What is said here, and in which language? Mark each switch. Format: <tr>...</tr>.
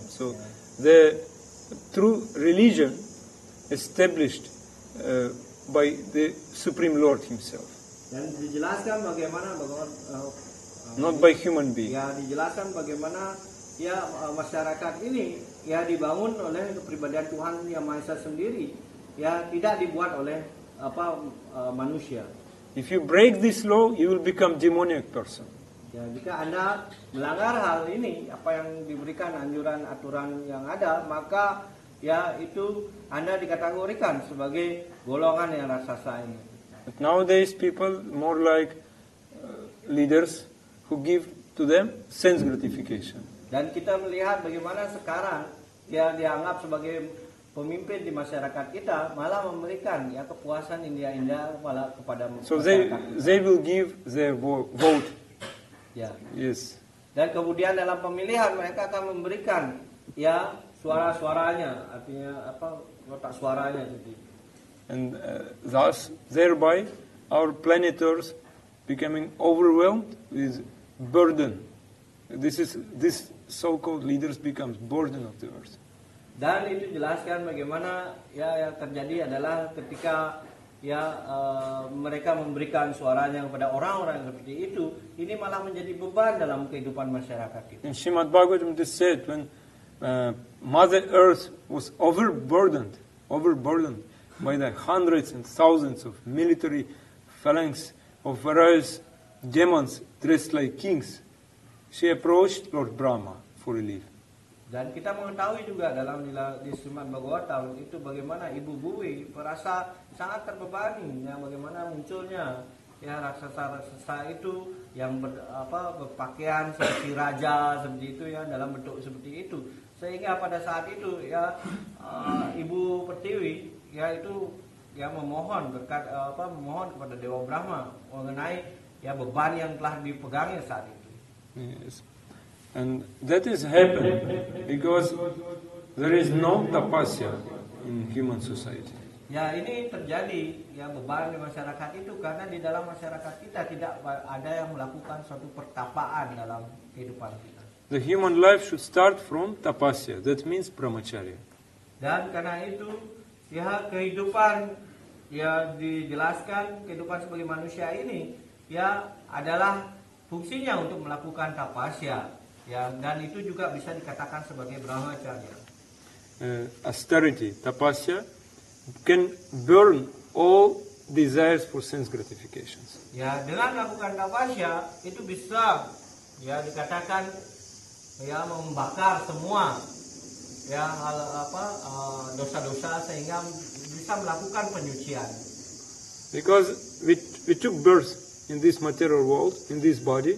<en>So the true religion established by the Supreme Lord himself.</en> <id>Dan dijelaskan bagaimana</id> <en>not by human being.</en> <id>Ya, dijelaskan bagaimana ya masyarakat ini ya dibangun oleh kepribadian Tuhan Yang Maha Esa sendiri, ya tidak dibuat oleh manusia.</id> <en>If you break this law, you will become demonic person.</en> <id>Ya, jika Anda melanggar hal ini, apa yang diberikan anjuran aturan yang ada, maka ya itu Anda dikategorikan sebagai golongan yang raksasa ini.</id> <en>But nowadays people more like leaders who give to them sense gratification.</en> <id>Dan kita melihat bagaimana sekarang yang dianggap sebagai pemimpin di masyarakat kita malah memberikan ya kepuasan indra malah kepada masyarakat.</id> <en>So they will give their vote. Yeah. Yes.</en> <id>Dan kemudian dalam pemilihan mereka akan memberikan ya suara-suaranya, artinya apa, kotak suaranya jadi.</id> <en>And thus thereby our planet Earth becoming overwhelmed with burden. This so-called leaders becomes burden of the earth.</en> <id>Dan itu jelaskan bagaimana ya yang terjadi adalah ketika ya mereka memberikan suaranya kepada orang-orang seperti itu, ini malah menjadi beban dalam kehidupan masyarakat kita.</id> <en>Srimad Bhagavatam said when Mother Earth was overburdened by the hundreds and thousands of military phalanx of various demons dressed like kings, she approached Lord Brahma for relief.</en> <id>Dan kita mengetahui juga dalam di Srimad Bhagavatam itu bagaimana Ibu Bhumi merasa sangat terbebani, ya, bagaimana munculnya ya raksasa-raksasa itu yang berpakaian seperti raja seperti itu, ya, dalam bentuk seperti itu. Sehingga pada saat itu ya Ibu Pertiwi ya itu ya memohon berkat memohon kepada Dewa Brahma mengenai ya beban yang telah dipegangnya saat itu.</id> <en>Yes. And that is happened because there is no tapasya in human society.</en> <id>Ya, ini terjadi ya beban di masyarakat itu karena di dalam masyarakat kita tidak ada yang melakukan suatu pertapaan dalam kehidupan kita.</id> <en>The human life should start from tapasya. That means brahmacharya.</en> <id>Dan karena itu ya kehidupan ya dijelaskan kehidupan sebagai manusia ini ya adalah fungsinya untuk melakukan tapasya. Ya, dan itu juga bisa dikatakan sebagai brahmacharya.</id> <en>Austerity, tapasya can burn all desires for sense gratifications.</en> <id>Ya, dengan melakukan tapasya itu bisa ya dikatakan ya membakar semua ya hal dosa-dosa sehingga bisa melakukan penyucian.</id> <en>Because we took birth in this material world, in this body.</en>